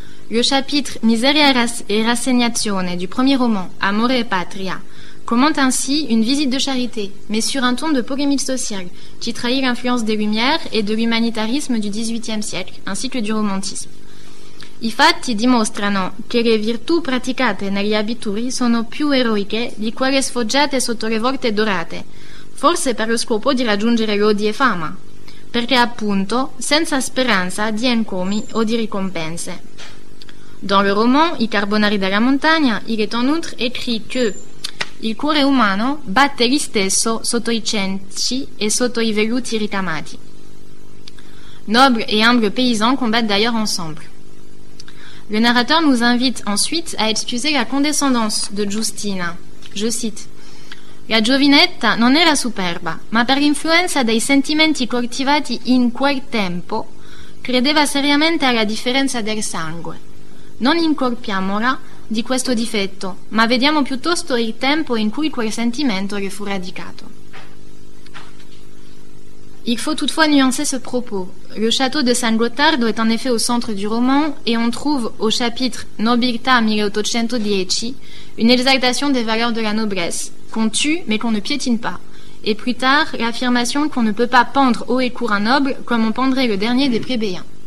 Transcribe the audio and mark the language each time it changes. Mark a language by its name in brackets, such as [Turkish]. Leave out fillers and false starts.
[French] Le chapitre « Miseria e rassegnazione » du premier roman « Amore e patria » commente ainsi une visite de charité, mais sur un ton de polémique sociale, qui trahit l'influence des Lumières et de l'humanitarisme du XVIIIe siècle, ainsi que du romantisme. [Italian] I fatti dimostrano che le virtù praticate negli abituri sono più eroiche di quelle sfoggiate sotto le volte dorate, forse per lo scopo di raggiungere lodi e fama, perché appunto senza speranza di encomi o di ricompense. [French] Dans le roman I Carbonari della Montagna, il est en outre écrit que [Italian] il cuore umano batte lui stesso sotto i cenci e sotto i veluti ricamati. [French] Nobles et humbles paysans combattent d'ailleurs ensemble. Le narrateur nous invite ensuite à excuser la condescendance de Giustina. Je cite: [Italian] La giovinetta non era superba, ma per l'influenza dei sentimenti coltivati in quel tempo, credeva seriamente alla differenza del sangue. Non incolpiamola di questo difetto, ma vediamo piuttosto il tempo in cui quel sentimento le fu radicato. [French] Il faut toutefois nuancer ce propos. Le château de San Gottardo est en effet au centre du roman et on trouve au chapitre Nobiltà 1810 une exaltation des valeurs de la noblesse, qu'on tue mais qu'on ne piétine pas, et plus tard l'affirmation qu'on ne peut pas pendre haut et court un noble comme on pendrait le dernier des plébéiens.